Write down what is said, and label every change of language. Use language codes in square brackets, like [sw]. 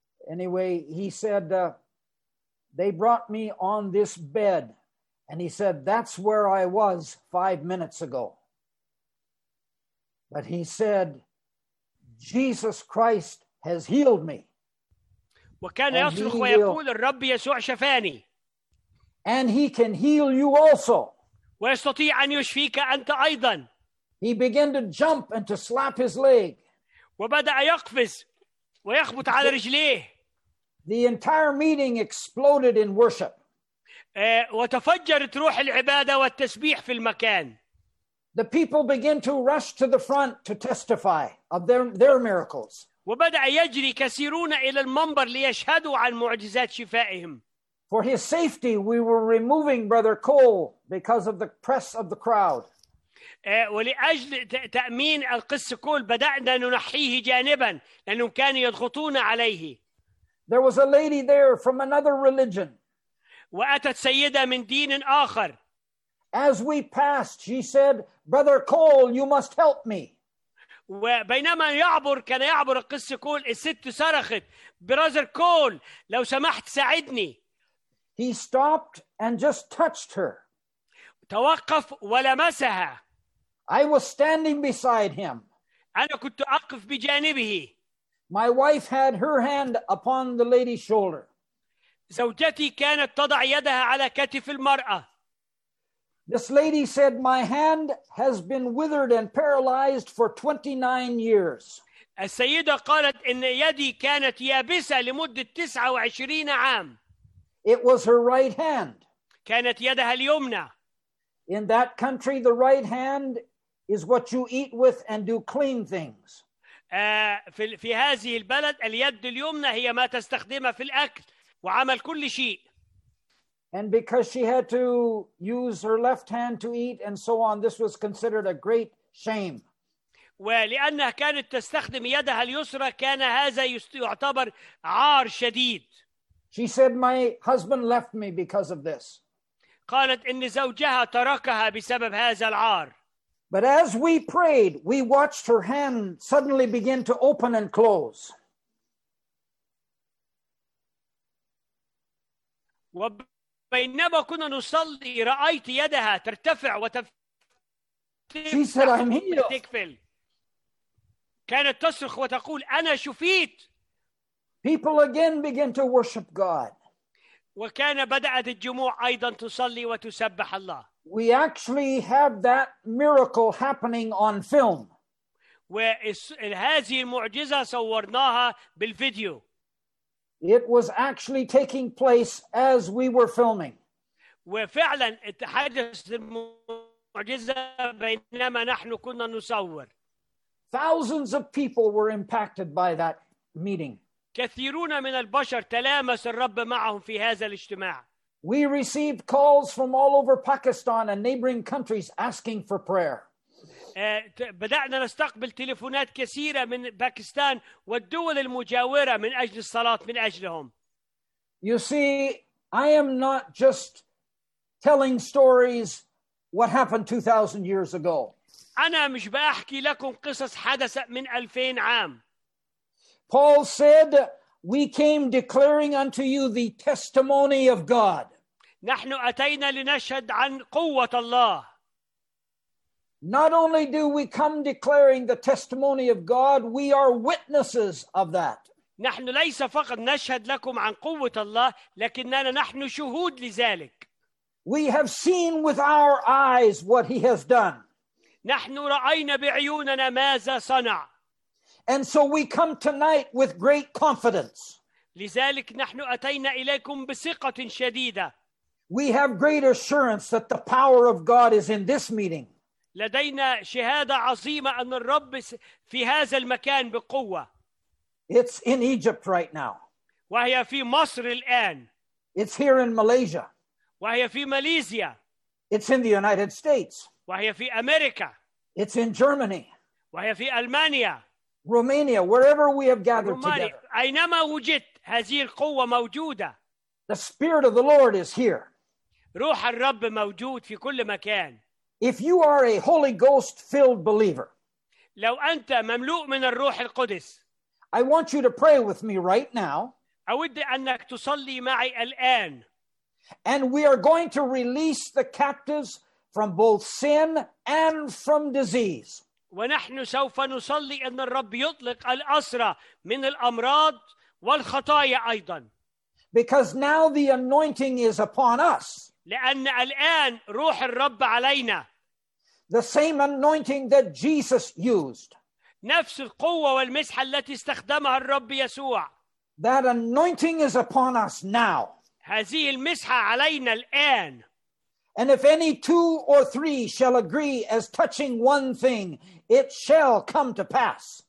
[en] Anyway, he said, they brought me on this bed. And he said, that's where I was 5 minutes ago. But he said, Jesus Christ has healed me. [ar] وكان يصرخ ويقول الرب يسوع شفاني. [en] And he can heal you also. [ar] ويستطيع أن يشفيك أنت أيضا. [en] He began to jump and to slap his leg. [ar] وبدأ يقفز ويخبط على رجليه. [en] The entire meeting exploded in worship. [ar] وتفجرت روح العبادة والتسبيح في المكان. [en] The people begin to rush to the front to testify of their miracles. [ar] وبدأ يجري كثيرون إلى المنبر ليشهدوا عن معجزات شفائهم. [en] For his safety, we were removing Brother Cole because of the press of the crowd. [ar] ولأجل تأمين القس كول بدأنا ننحيه جانبا لأنهم كانوا يضغطون عليه. [en] There was a lady there from another religion. [ar] وأتت سيدة من دين آخر. [en] As we passed, she said, "Brother Cole, you must help me." [ar] وبينما يعبر كان يعبر القس كول الست صرخت [en] Brother Cole, [ar] لو سمحت ساعدني. [en] He stopped and just touched her. [ar] توقف ولمسها. [en] I was standing beside him. [ar] أنا كنت أقف بجانبه. [en] My wife had her hand upon the lady's shoulder. [ar] زوجتي كانت تضع يدها على كتف المرأة. [en] This lady said, my hand has been withered and paralyzed for 29 years. [ar] السيدة قالت إن يدي كانت يابسة لمدة 29 عام. [en] It was her right hand. [ar] كانت يدها اليمنى. [en] In that country, the right hand is what you eat with and do clean things. [ar] في هذه البلد اليد اليمنى هي ما تستخدمها في الأكل وعمل كل شيء. [en] And because she had to use her left hand to eat and so on, this was considered a great shame. [ar] ولأنها كانت تستخدم يدها اليسرى كان هذا يعتبر عار شديد. [en] She said, my husband left me because of this. [ar] قالت إن زوجها تركها بسبب هذا العار. [en] But as we prayed, we watched her hand suddenly begin to open and close. [ar] بينما كنا نصلي رأيت يدها ترتفع وتفتح وتقفل كانت تصرخ وتقول أنا شفيت. [en] People again begin to worship God. [ar] وكان بدأت الجموع أيضا تصلي وتسبح الله. [en] We actually have that miracle happening on film. [ar] وهذه المعجزة صورناها بالفيديو. [en] It was actually taking place as we were filming. [ar] وفعلا اتحدث المعجزة بينما نحن كنا نصور. [en] Thousands of people were impacted by that meeting. [ar] كثيرون من البشر تلامس الرب معهم في هذا الاجتماع. [en] We received calls from all over Pakistan and neighboring countries asking for prayer. [ar] بدأنا نستقبل تليفونات كثيرة من باكستان والدول المجاورة من أجل الصلاة من أجلهم. [en] You see, I am not just telling stories what happened 2,000 years ago. [ar] أنا مش بأحكي لكم قصص حدثت من 2000 عام. [en] Paul said, we came declaring unto you the testimony of God. [ar] نحن أتينا لنشهد عن قوة الله. [en] Not only do we come declaring the testimony of God, we are witnesses of that. [ar] نحن ليس فقط نشهد لكم عن قوة الله لكننا نحن شهود لذلك. [en] We have seen with our eyes what he has done. [ar] نحن رأينا بعيوننا ماذا صنع. [en] And so we come tonight with great confidence. [ar] لذلك نحن أتينا إليكم بثقة شديدة. [en] We have great assurance that the power of God is in this meeting. [ar] لدينا شهادة عظيمة أن الرب في هذا المكان بقوة. [en] It's in Egypt right now. [ar] وهي في مصر الآن. [en] It's here in Malaysia. [ar] وهي في ماليزيا. [en] It's in the United States. [ar] وهي في أمريكا. [en] It's in Germany. [ar] وهي في ألمانيا. [en] Romania, wherever we have gathered Romania. Together. [ar] أينما وجدت هذه القوة موجودة. [en] The Spirit of the Lord is here. [ar] روح الرب موجود في كل مكان. [en] If you are a Holy Ghost filled believer, [ar] لو أنت مملوء من الروح القدس, [en] I want you to pray with me right now. [ar] أود أنك تصلي معي الآن. [en] And we are going to release the captives from both sin and from disease. [ar] ونحن سوف نصلي أن الرب يطلق الأسرى من الأمراض والخطايا أيضا. [en] Because now the anointing is upon us. [ar] لأن الآن روح الرب علينا. [en] The same anointing that Jesus used. [ar] نفس القوة والمسحة التي استخدمها الرب يسوع. [en] That anointing is upon us now. [ar] هذه المسحة علينا الآن. [en] And if any two or three shall agree as touching one thing, it shall come to pass.